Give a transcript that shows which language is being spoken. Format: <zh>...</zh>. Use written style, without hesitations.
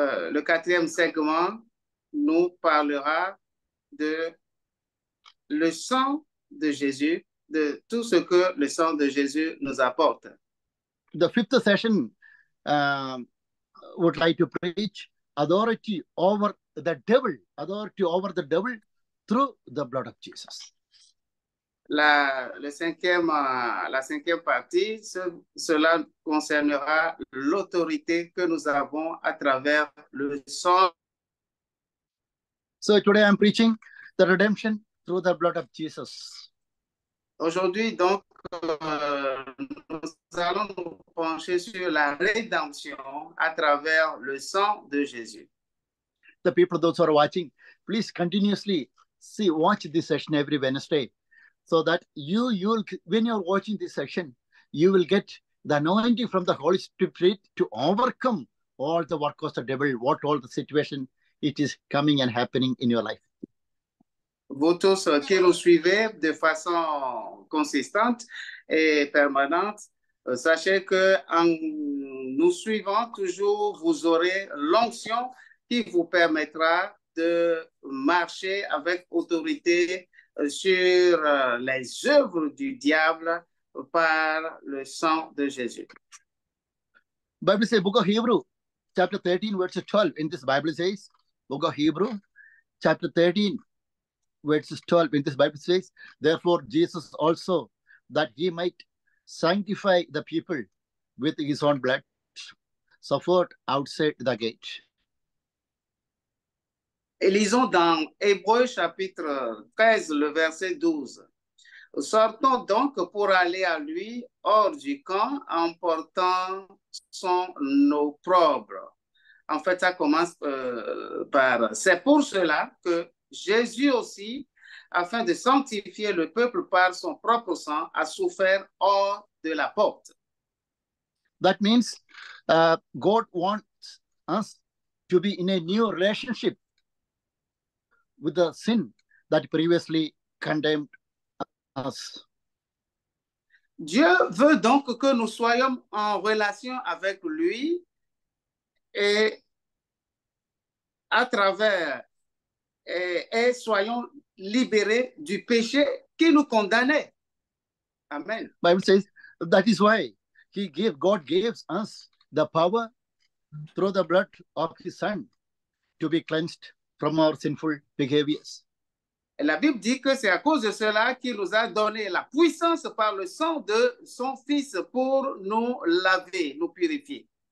<fr>Le quatrième segment nous parlera de le sang de Jésus, de tout ce que le sang de Jésus nous apporte.</fr> <en>The fifth session would like to preach authority over the devil, authority over the devil through the blood of Jesus.</en> <fr>La cinquième partie, cela concernera l'autorité que nous avons à travers le sang.</fr> <en>So today I'm preaching the redemption through the blood of Jesus.</en> <fr>Aujourd'hui, donc, nous allons nous pencher sur la rédemption à travers le sang de Jésus.</fr> <en>The people, those who are watching, please continuously watch this session every Wednesday, so that you'll, when you're watching this session, you will get the anointing from the Holy Spirit to overcome all the work of the devil, what all the situation it is coming and happening in your life.</en> <fr>Vous tous qui nous suivez de façon consistante et permanente, sachez que en nous suivant toujours, vous aurez l'onction qui vous permettra de marcher avec autorité sur les œuvres du diable par le sang de Jésus.</fr> <en>Bible says, Book of Hebrew, chapter 13, verse 12. In this Bible says, Book of Hebrew, chapter 13, verse 12. In this Bible says, therefore Jesus also, that he might sanctify the people with his own blood, suffered outside the gate.</en> <fr>Et lisons dans Hébreux chapitre 13, le verset 12. Sortons donc pour aller à lui hors du camp en portant son opprobre. En fait, ça commence par... C'est pour cela que Jésus aussi, afin de sanctifier le peuple par son propre sang, a souffert hors de la porte.</fr> <en>That means God wants us to be in a new relationship with the sin that previously condemned us.</en> <fr>Dieu veut donc que nous soyons en relation avec lui et à travers et soyons libérés du péché qui nous condamnait. Amen.</fr> <en>Bible says that is why God gives us the power through the blood of his son to be cleansed from our sinful behaviors.</en> <fr>La Bible dit que c'est à cause de cela qu'il nous a donné la puissance par le sang de son fils pour nous laver, nous purifier.</fr>